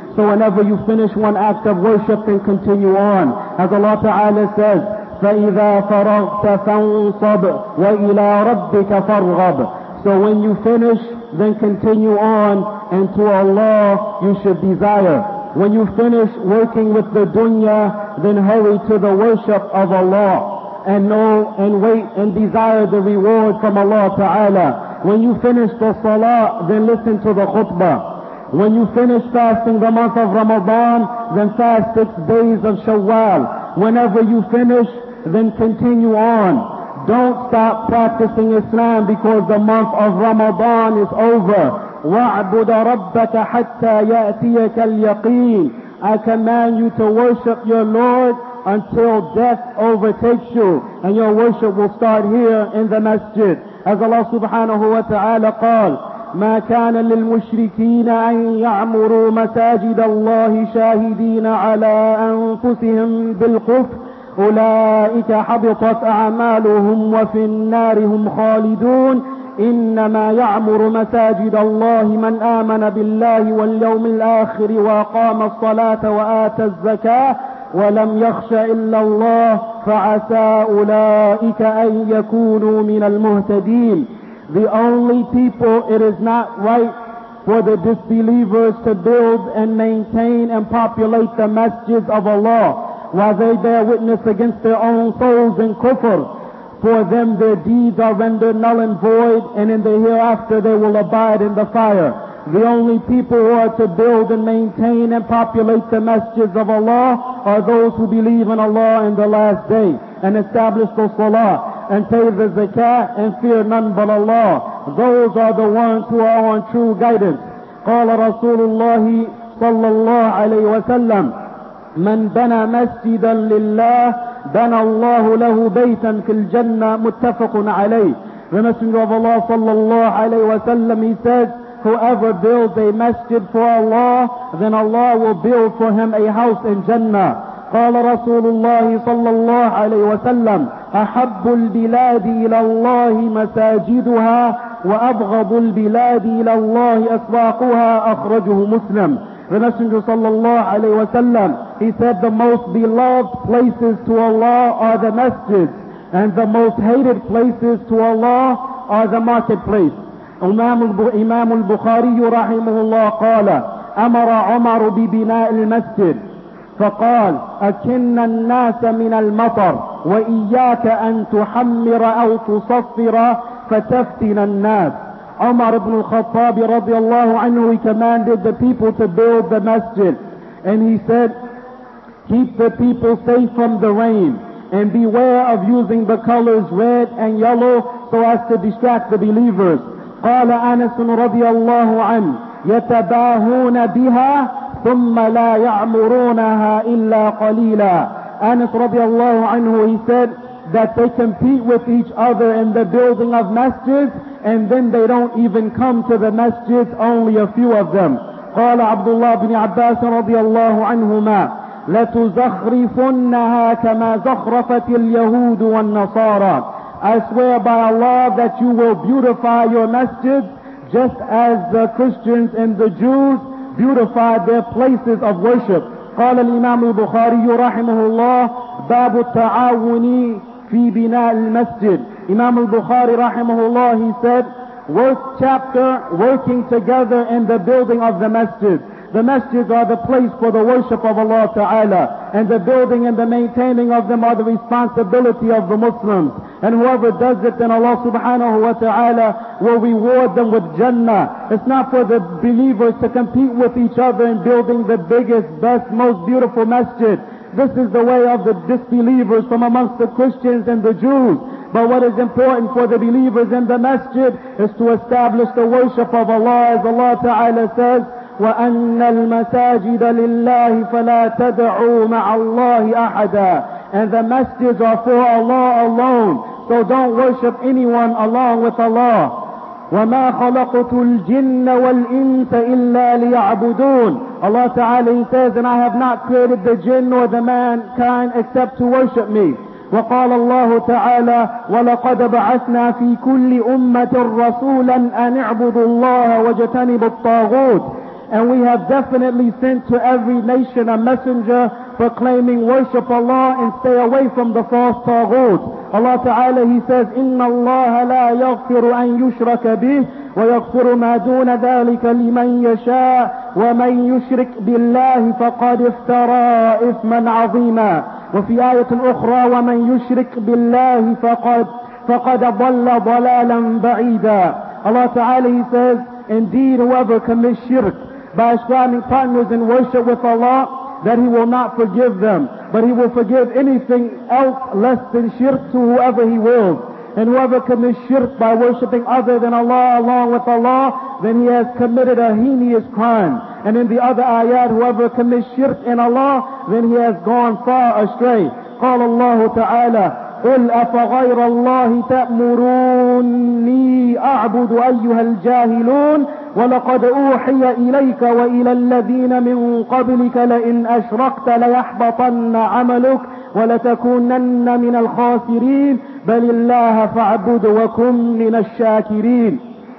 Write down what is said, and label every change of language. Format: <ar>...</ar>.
<en>So whenever you finish one act of worship, then continue on. As Allah Ta'ala says,</en> <ar>فَإِذَا فَرَغْتَ فَانْصَبْ وَإِلَىٰ رَبِّكَ فَارْغَبْ.</ar> <en>So when you finish, then continue on, and to Allah you should desire. When you finish working with the dunya, then hurry to the worship of Allah, and know and wait and desire the reward from Allah Ta'ala. When you finish the salah, then listen to the khutbah. When you finish fasting the month of Ramadan, then fast 6 days of Shawwal. Whenever you finish, then continue on. Don't stop practicing Islam because the month of Ramadan is over.</en> <ar>واعبد ربك حتى يأتيك اليقين.</ar> <en>As a man you to worship your Lord until death overtakes you, and your worship will start here in the masjid. As Allah subhanahu wa ta'ala</en> <ar>قال, ما كان للمشركين أن يعمروا مساجد الله شاهدين على أنفسهم بالكفر أولئك حبطت أعمالهم وفي النار هم خالدون. إنما يعمر مساجد الله من آمن بالله واليوم الآخر وأقام الصلاة وآتى الزكاة ولم يخش إلا الله فعسى أولئك أن يكونوا من المهتدين.</ar> <en>The only people it is not right for the disbelievers to build and maintain and populate the masjids of Allah while they bear witness against their own souls in kufr. For them their deeds are rendered null and void, and in the hereafter they will abide in the fire. The only people who are to build and maintain and populate the masjids of Allah are those who believe in Allah in the last day and establish the salah and pay the zakat and fear none but Allah. Those are the ones who are on true guidance.</en> <ar>قال رسول الله صلى الله عليه وسلم من بنى مسجدا لله بنى الله له بيتا في الجنة. متفق عليه.</ar> <en>The Messenger of Allah</en> <ar>صلى الله عليه وسلم,</ar> <en>he says, whoever builds a masjid for Allah, then Allah will build for him a house in Jannah.</en> <ar>قال رسول الله صلى الله عليه وسلم أحب البلاد إلى الله مساجدها وأبغض البلاد إلى الله أسواقها. أخرجه مسلم.</ar> <en>The Messenger</en> <ar>صلى الله عليه وسلم,</ar> <en>he said, the most beloved places to Allah are the masjids, and the most hated places to Allah are the marketplace.</en> <ar>Imam al-Bukhari رحمه الله قال أمر عمر ببناء المسجد فقال أكن الناس من المطر وإياك أن تحمر أو تصفر فتفتن الناس.</ar> <en>Umar ibn al-Khattab radiallahu anhu, he commanded the people to build the masjid, and he said, keep the people safe from the rain and beware of using the colors red and yellow so as to distract the believers.</en> <ar>قال أنس رضي الله عنه يتباهون بها ثم لا يعمرونها إلا قليلا.</ar> <en>Anas radiallahu anhu, he said that they compete with each other in the building of masjids, and then they don't even come to the masjids, only a few of them.</en> <ar>قال عبد الله بن عباس رضي الله عنهما لتزخرفنها كما زخرفت اليهود والنصارى.</ar> <en>I swear by Allah that you will beautify your masjids just as the Christians and the Jews beautified their places of worship.</en> <ar>قال الإمام البخاري رحمه الله باب التعاون في بناء المسجد.</ar> <en>Imam al-Bukhari rahimahullah, he said, work chapter, working together in the building of the masjid. The masjids are the place for the worship of Allah Ta'ala, and the building and the maintaining of them are the responsibility of the Muslims. And whoever does it, then Allah subhanahu wa ta'ala will reward them with Jannah. It's not for the believers to compete with each other in building the biggest, best, most beautiful masjid. This is the way of the disbelievers from amongst the Christians and the Jews. But what is important for the believers in the masjid is to establish the worship of Allah, as Allah Ta'ala says,</en> <ar>وَأَنَّ الْمَسَاجِدَ لِلَّهِ فَلَا تَدْعُوا مَعَ اللَّهِ أَحَدًا.</ar> <en>And the masjids are for Allah alone, so don't worship anyone along with Allah.</en> <ar>وَمَا خَلَقْتُ الْجِنَّ وَالْإِنْسَ إِلَّا لِيَعْبُدُونَ.</ar> <en>Allah Ta'ala, he says, and I have not created the jinn or the mankind except to worship me.</en> <ar>وقال الله تعالى ولقد بعثنا في كل أمة رسولا أن اعبدوا الله واجتنبوا الطاغوت.</ar> <en>And we have definitely sent to every nation a messenger proclaiming worship Allah and stay away from the false طاغوت.</en> <ar>Allah تعالى,</ar> <en>he says,</en> <ar>إن الله لا يغفر أن يشرك به ويغفر ما دون ذلك لمن يشاء ومن يشرك بالله فقد افترى إثما عظيما. وفي آية أخرى ومن يشرك بالله فقد ضل ضلالا بعيدا.</ar> <en>Allah Ta'ala, he says, indeed whoever commits shirk by ascribing partners in worship with Allah, that he will not forgive them, but he will forgive anything else less than shirk to whoever he wills. And whoever commits shirk by worshipping other than Allah along with Allah, then he has committed a heinous crime. And in the other ayat, whoever commits shirk in Allah, then he has gone far astray.</en> <ar>قال الله تعالى قل أفغير الله تأمروني أعبد أيها الجاهلون ولقد أوحي إليك وإلى الذين من قبلك لئن أشركت ليحبطن عملك ولتكونن من الخاسرين بل الله فاعبد وكن من الشاكرين.</ar>